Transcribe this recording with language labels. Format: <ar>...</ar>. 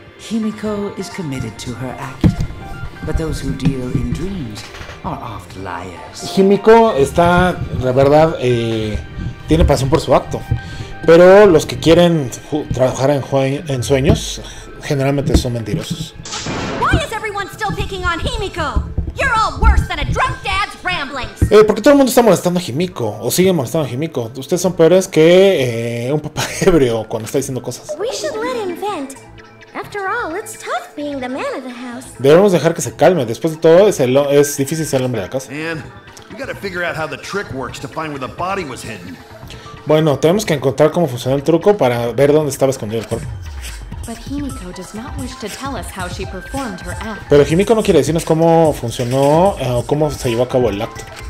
<en>Himiko is committed to her act, but those who deal in dreams are oft liars.</en> <es>Himiko está, la verdad, tiene pasión por su acto. Pero los que quieren trabajar en sueños generalmente son mentirosos.</es> <en>Why is everyone still picking on Himiko? You're all worse than a drunk dad's ramblings.</en> <es>¿Por qué todo el mundo está molestando a Himiko? ¿O sigue molestando a Himiko? Ustedes son peores que un papá ebrio cuando está diciendo cosas.</es> <en>We should let him vent. After all, it's tough being the man of the house.</en> <es>Debemos dejar que se calme. Después de todo, es difícil ser el hombre de la casa.</es> <en>And we gotta figure out how the trick works to find where the body was hidden.</en> <es>Bueno, tenemos que encontrar cómo funciona el truco para ver dónde estaba escondido el cuerpo. Pero Himiko no quiere decirnos cómo funcionó o cómo se llevó a cabo el acto.</es>